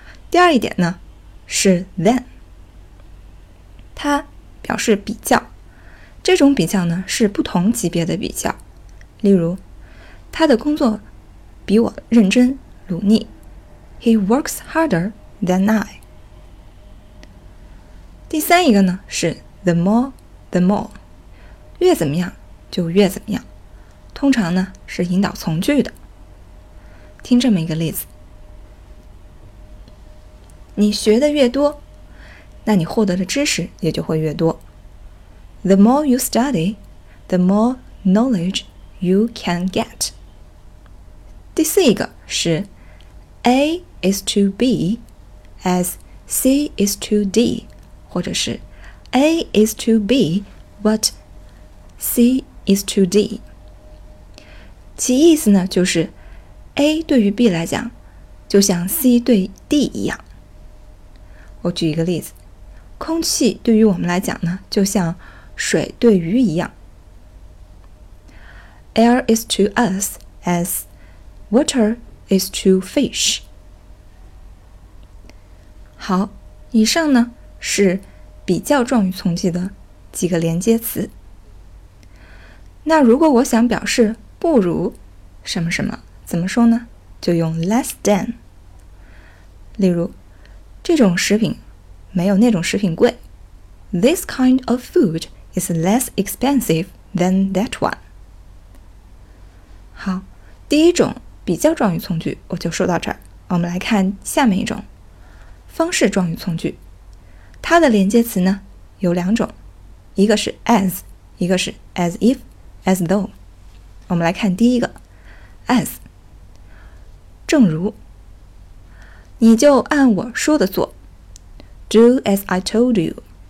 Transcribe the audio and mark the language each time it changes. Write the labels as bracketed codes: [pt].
[zh] 第二一点呢是 than， 它表示比较，这种比较呢是不同级别的比较，例如他的工作比我认真努力。 [en] He works harder than I。 [zh] 第三一个呢是 the more, the more。越怎么样就越怎么样。通常呢是引导从句的。听这么一个例子。你学的越多，那你获得的知识也就会越多。 [en] The more you study, the more knowledge you can get。 [zh] 第四一个是 A is to B as C is to D， 或者是 A is to B what C is to D， 其意思呢就是 A 对于 B 来讲就像 C 对 D 一样。我举一个例子，空气对于我们来讲呢就像水对鱼一样。 [en] Air is to us asWater is to fish。 [zh] 好，以上呢是比较状语从句的几个连接词。那如果我想表示不如什么什么，怎么说呢？就用 less than。例如这种食品没有那种食品贵。 [en] This kind of food is less expensive than that one。 [zh] 好，第一种比较状语从句我就说到这儿，我们来看下面一种方式状语从句，它的连接词呢有两种，一个是 as， 一个是 as if as though。我们来看第一个 as， 正如，你就按我说的做， [en] do as I told you。